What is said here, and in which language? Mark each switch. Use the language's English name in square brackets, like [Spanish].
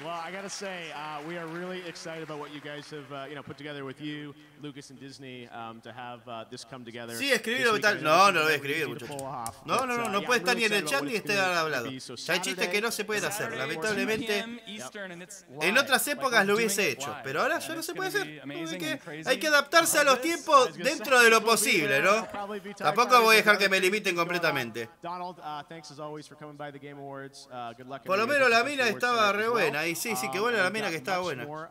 [English] Well, I got to say, we are really excited about what you guys have put together with you, Lucas and Disney, to have this come together. [Spanish] Sí, escribirlo. No lo voy a escribir, muchachos. No puede estar ni en el chat ni esté hablado. Hay chistes que no se pueden hacer, lamentablemente. En otras épocas lo hubiese hecho, pero ahora ya no se puede hacer. Hay que adaptarse a los tiempos dentro de lo posible, ¿no? Tampoco voy a dejar que me limiten completamente. [English] Donald, thanks as always for coming by the Game Awards. Good luck. [Spanish] Por lo menos la mina estaba re buena, y sí, que buena la mina que estaba buena.